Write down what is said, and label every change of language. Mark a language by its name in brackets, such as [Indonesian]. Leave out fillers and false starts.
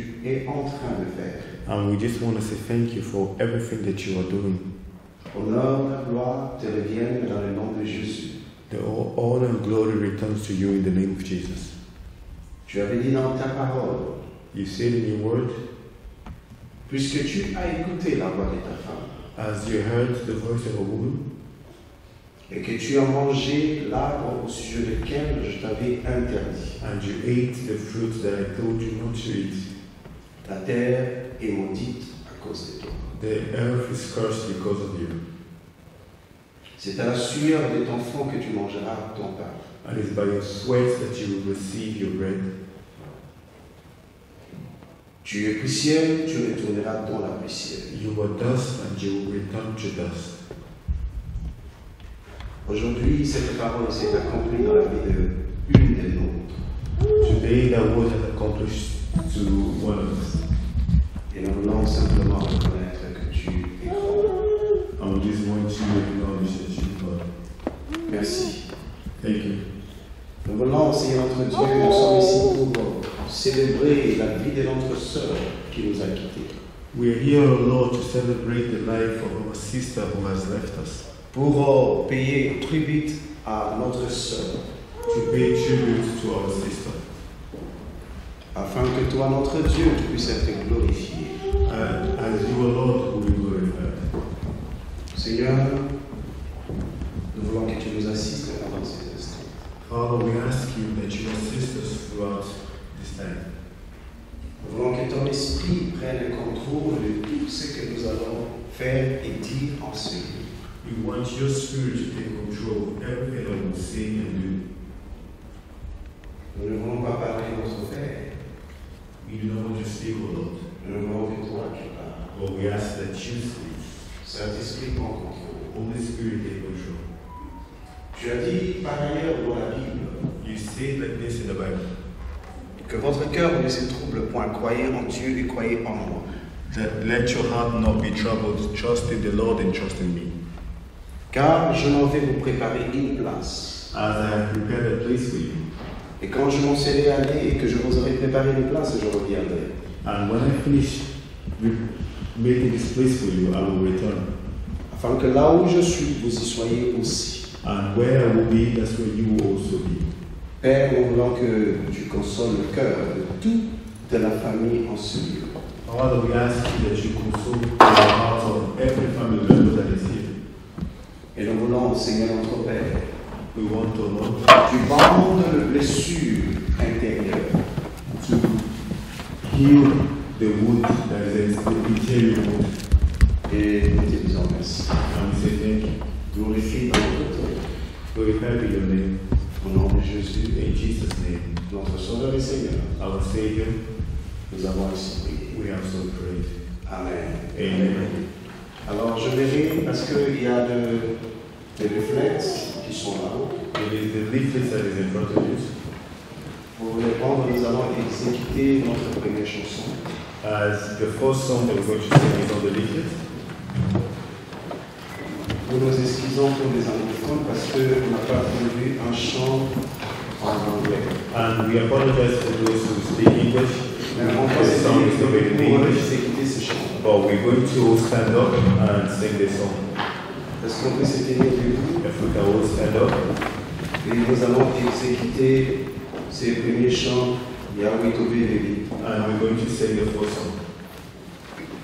[English] And we just want to say thank you for everything that you are doing. [French] Honneur, gloire, te revienne dans le nom de Jésus. [English] The honor and glory returns to you in the name of Jesus. [French] Tu avais dit dans ta parole, [English] you said in your word, [French] puisque tu as écouté la voix de ta femme, [English] as you heard the voice of a woman, [French] et que tu as mangé l'arbre au sujet duquel je t'avais interdit. [English] And you ate the fruit that I told you not to eat. [French] La terre est maudite à cause de toi. [English] The earth is cursed because of you. [French] C'est à la sueur de ton front que tu mangeras ton pain. [English] And it's by your sweat that you will receive your bread. [French] Tu es poussière, tu retourneras dans la poussière. [English] You are dust and you will return to dust. [French] Aujourd'hui, cette parole s'est accomplie dans la vie de l'une des nôtres. [English] Today, that word has accomplished to one of us. [French] Et nous voulons simplement reconnaître que tu es fort. [English] I just want to acknowledge that you are God. [French] Merci. [English] Thank you. [French] Nous voulons, Seigneur notre Dieu, nous sommes ici pour célébrer la vie de notre sœur qui nous a quittés. [English] We are here, O Lord, to celebrate the life of our sister who has left us. [French] Pour payer tribute à notre sœur. [English] To pay tribute to our sister. [French] Afin que toi, notre Dieu, tu puisses être glorifié. [English] As you, O Lord, will be glorified. [French] Seigneur, nous voulons que tu nous assistes pendant cet instant. [English] Father, we ask you that you assist us throughout this time. [French] Nous voulons que ton esprit prenne le contrôle de tout ce que nous allons faire et dire ensuite. [English] We want your spirit to take control of everything that we say and do. [French] Nous ne voulons pas parler de notre Père. [English] We do not want to speak, O Lord. [French] Nous ne voulons que toi tu parles. [English] But we ask that you speak. [French] Saint-Esprit, prends contrôle. [English] Holy Spirit, take control. [French] Tu as dit par ailleurs dans la Bible. [English] You say like this in the Bible. [French] Que votre cœur ne se trouble point. Croyez en Dieu et croyez en moi. [English] That let your heart not be troubled. Trust in the Lord and trust in me. [French] Car je m'en vais vous préparer une place. [English] As I have prepared a place for you. [French] Et quand je m'en serai allé et que je vous aurai préparé une place, je reviendrai. [English] And when I finish making this place for you, I will return. [French] Afin que là où je suis, vous y soyez aussi. [English] And where I will be, that's where you will also be. [French] Père, en voulant que tu consoles le cœur de tout de la famille en ce lieu. [English] Father, we ask you that you console the hearts of every family member that is here. [French] Et nous voulons, Seigneur notre Père, [English] we want to know, [French] tu bandes les blessures intérieures, [English] to heal the wound that is interior. [French] Et nous te disons merci. [English] And we say thank you. [French] Glorifie notre Père. Glorifie notre Père. Au nom de Jésus. [English] In Jesus' name. [French] Notre Sauveur et Seigneur. [English] Our Savior. [French] Nous avons ainsi prié. [English] We have so prayed. [French] Amen. [English] Amen. Amen. [French] Alors, je vais rire parce qu'il y a des leaflets qui sont là-haut. [English] It is the leaflets that is in front of you. [French] Pour répondre, nous allons exécuter notre première chanson. [English] As the first song that we're going to sing is on the leaflet. [French] Nous nous excusons pour les anglophones parce qu'on n'a pas trouvé un chant en anglais. [English] And we apologize for those who speak English. But we're going to stand up and sing this song. [French] Est-ce qu'on peut se tenir debout? [English] If we can all stand up. [French] Et nous allons exécuter ces premiers chants, Yahweh Tobé Lévi. [English] And we're going to sing the first song.